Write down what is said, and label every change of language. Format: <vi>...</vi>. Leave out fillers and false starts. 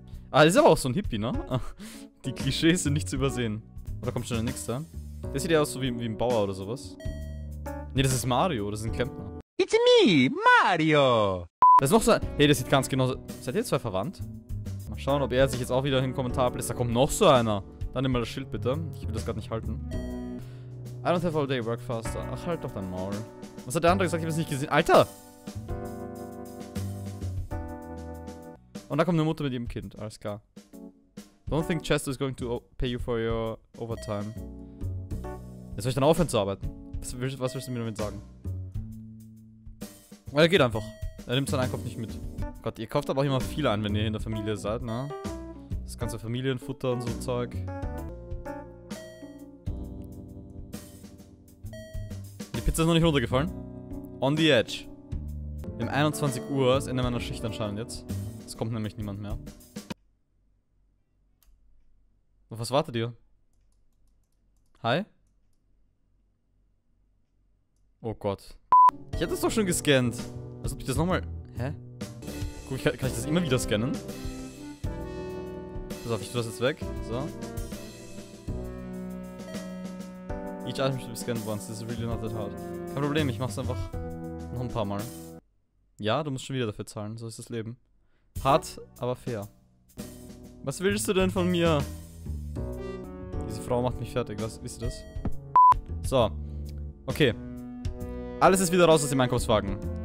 <de>Ah, das ist aber auch so ein Hippie, ne? Die Klischees sind nicht zu übersehen. Oder kommt schon der nächste? Der sieht ja aus so wie ein Bauer oder sowas. Ne, das ist Mario, das ist ein Klempner.</de> <en>It's me, Mario!</en> <de>Das ist noch so ein... Hey, das sieht ganz genauso... Seid ihr zwei verwandt? Mal schauen, ob er sich jetzt auch wieder in den Kommentar bläst. Da kommt noch so einer. Dann nimm mal das Schild bitte. Ich will das gerade nicht halten.</de> <en>I don't have all day, work faster.</en> <de>Ach, halt doch dein Maul. Was hat der andere gesagt? Ich hab's nicht gesehen. Alter! Und da kommt eine Mutter mit ihrem Kind. Alles klar.</de> <en>Don't think Chester is going to pay you for your overtime.</en> <de>Jetzt soll ich dann aufhören zu arbeiten? Was willst du mir damit sagen? Er geht einfach. Er nimmt seinen Einkauf nicht mit. Gott, ihr kauft aber auch immer viel ein, wenn ihr in der Familie seid, ne? Das ganze Familienfutter und so Zeug. Die Pizza ist noch nicht runtergefallen.</de> <en>On the edge.</en> <de>Wir haben 21 Uhr, ist Ende meiner Schicht anscheinend jetzt. Es kommt nämlich niemand mehr. Auf was wartet ihr? Hi? Oh Gott. Ich hätte das doch schon gescannt. Als ob ich das nochmal... Hä? Guck, kann ich das immer wieder scannen? Pass auf, ich tu das jetzt weg. So.</de> <en>Each item should be scanned once. This is really not that hard.</en> <de>Kein Problem, ich mach's einfach noch ein paar Mal. Ja, du musst schon wieder dafür zahlen. So ist das Leben. Hart, aber fair. Was willst du denn von mir? Diese Frau macht mich fertig. Was, wisst ihr das? So. Okay. Alles ist wieder raus aus dem Einkaufswagen.</de>